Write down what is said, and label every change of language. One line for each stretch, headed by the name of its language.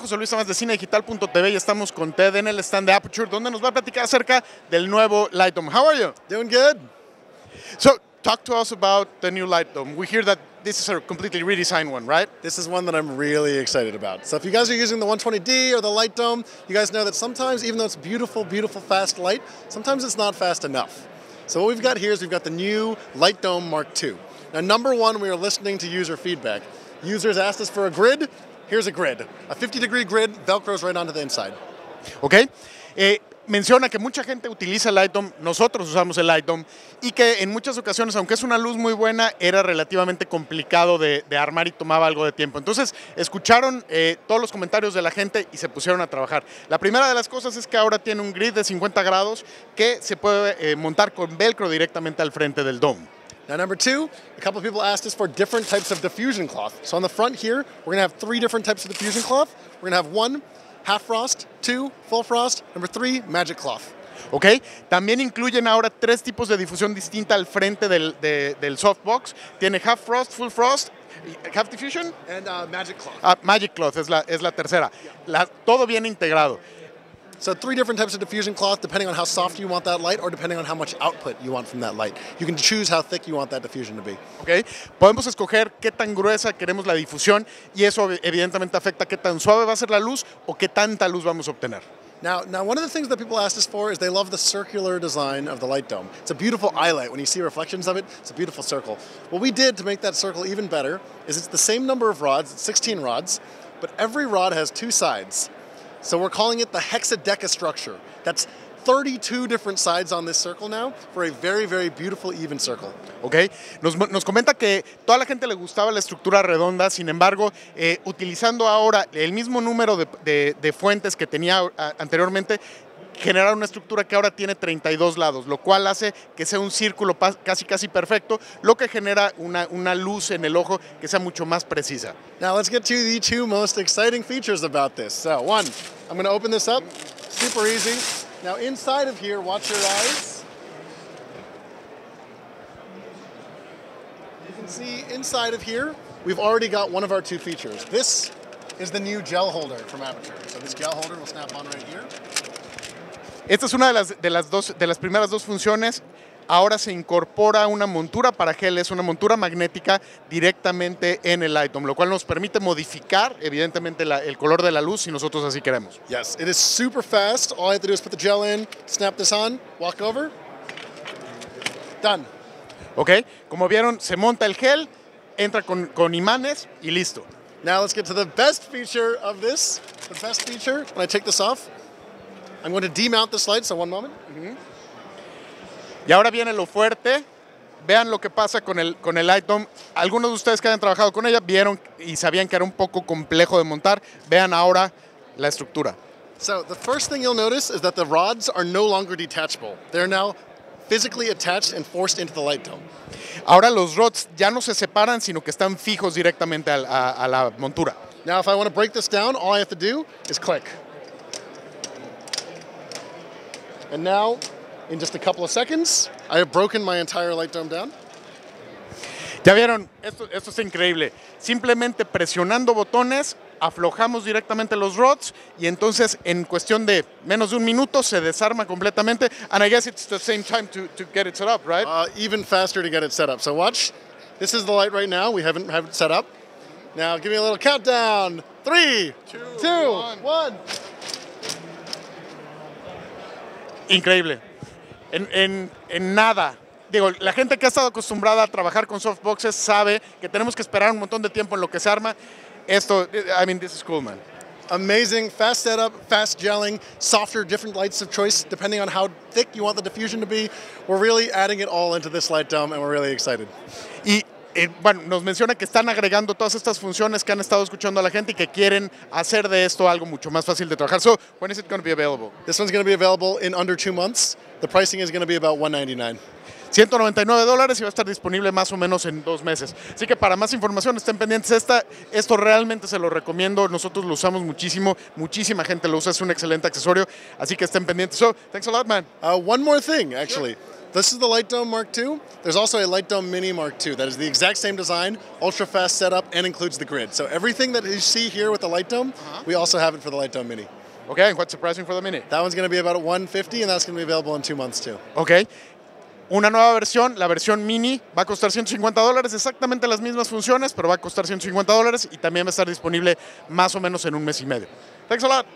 Spanish: José Luis Tomás de CineDigital.tv y estamos con Ted en el stand de Aperture, donde nos va a platicar acerca del nuevo Lightdome.
English: How are you? Doing good. So, talk to us about the new Lightdome. We hear that this is a completely redesigned one, right? This is one that I'm really excited about. So if you guys are using the 120D or the Lightdome, you guys know that sometimes, even though it's beautiful, beautiful, fast light, sometimes it's not fast enough. So what we've got here is we've got the new Lightdome Mark II. Now, number one, we are listening to user feedback. Users asked us for a grid. Here's a grid. A 50-degree grid velcros right onto the inside. Okay.
Spanish: Menciona que mucha gente utiliza el Lightdome, nosotros usamos el Lightdome, y que en muchas ocasiones, aunque es una luz muy buena, era relativamente complicado de armar y tomaba algo de tiempo. Entonces, escucharon todos los comentarios de la gente y se pusieron a trabajar. La primera de las cosas es que ahora tiene un grid de 50 grados que se puede montar con velcro directamente al frente del dome.
English: Now, number two, a couple of people asked us for different types of diffusion cloth. So on the front here, we're going to have three different types of diffusion cloth. We're going to have one, half frost, two, full frost, number three, magic cloth. Okay.
Spanish: También incluyen ahora tres tipos de difusión distinta al frente del softbox. Tiene half frost, full frost, half diffusion,
English: and magic cloth.
Spanish: Magic cloth es la tercera. Yeah. Todo viene integrado.
English: So three different types of diffusion cloth, depending on how soft you want that light or depending on how much output you want from that light. You can choose how thick you want that diffusion to be. Okay.
Spanish: Podemos escoger qué tan gruesa queremos la difusión y eso evidentemente afecta qué tan suave va a ser la luz o qué tanta luz vamos a obtener.
English: Now, one of the things that people asked us for is they love the circular design of the light dome. It's a beautiful eye light. When you see reflections of it, it's a beautiful circle. What we did to make that circle even better is it's the same number of rods, it's 16 rods, but every rod has two sides. So we're calling it the hexadeca structure. That's 32 different sides on this circle now for a very, very beautiful, even circle. Okay.
Spanish: Nos comenta que toda la gente le gustaba la estructura redonda, sin embargo, utilizando ahora el mismo número de fuentes que tenía anteriormente, generar una estructura que ahora tiene 32 lados, lo cual hace que sea un círculo casi casi perfecto, lo que genera una luz en el ojo que sea mucho más precisa.
English: Now let's get to the two most exciting features about this. So one, I'm going to open this up, super easy. Now inside of here, watch your eyes. You can see inside of here, we've already got one of our two features. This is the new gel holder from Aperture. So this gel holder will snap on right here.
Spanish: Esta es una de las primeras dos funciones. Ahora se incorpora una montura para gel, es una montura magnética directamente en el Lightdome, lo cual nos permite modificar evidentemente el color de la luz si nosotros así queremos.
English: Yes, it is super fast. All I have to do is put the gel in, snap this on, walk over. Done.
Spanish: Okay, como vieron, se monta el gel, entra con imanes y listo.
English: Now let's get to the best feature of this. The best feature, when I take this off, I'm going to demount this light, so one moment.
Spanish: Y ahora viene lo fuerte. Vean lo que pasa con el Lightdome. Algunos de ustedes que hayan trabajado con ella vieron y sabían que era un poco complejo de montar. Vean ahora la estructura.
English: So the first thing you'll notice is that the rods are no longer detachable. They're now physically attached and forced into the Lightdome.
Spanish: Ahora los rods ya no se separan, sino que están fijos directamente a la montura.
English: Now if I want to break this down, all I have to do is click. And now, in just a couple of seconds, I have broken my entire light dome down.
Spanish: Ya vieron, esto es increíble. Simplemente presionando botones, aflojamos directamente los rods, y entonces, en cuestión de menos de un minuto, se desarma completamente.
English: And I guess it's the same time to get it set up, right? Even faster to get it set up. So watch, this is the light right now. We haven't have it set up. Now, give me a little countdown. 3, 2, 1.
Spanish: Increíble. En nada. Digo, la gente que ha estado acostumbrada a trabajar con softboxes sabe que tenemos que esperar un montón de tiempo en lo que se arma.
English: Esto, I mean, this is cool, man. Amazing. Fast setup, fast gelling, softer, different lights of choice, depending on how thick you want the diffusion to be. We're really adding it all into this light dome, and we're really excited.
Spanish: Y, bueno, nos menciona que están agregando todas estas funciones que han estado escuchando a la gente y que quieren hacer de esto algo mucho más fácil de trabajar.
English: So, when is it going to be available? This one's going to be available in under 2 months. The pricing is going to be about $199.
Spanish: $199 y va a estar disponible más o menos en 2 meses. Así que para más información, estén pendientes. Esto realmente se lo recomiendo. Nosotros lo usamos muchísimo. Muchísima gente lo usa. Es un excelente accesorio. Así que estén pendientes.
English: So, thanks a lot, man. One more thing, actually. Sure. This is the Light Dome Mark II. There's also a Light Dome Mini Mark II that is the exact same design, ultra-fast setup, and includes the grid. So everything that you see here with the Light Dome, we also have it for the Light Dome Mini. Okay, what's the pricing for the Mini? That one's going to be about $150, and that's going to be available in 2 months, too. Okay.
Spanish: Una nueva versión, la versión Mini, va a costar $150, exactamente las mismas funciones, pero va a costar $150, y también va a estar disponible más o menos en un mes y medio.
English: Thanks a lot.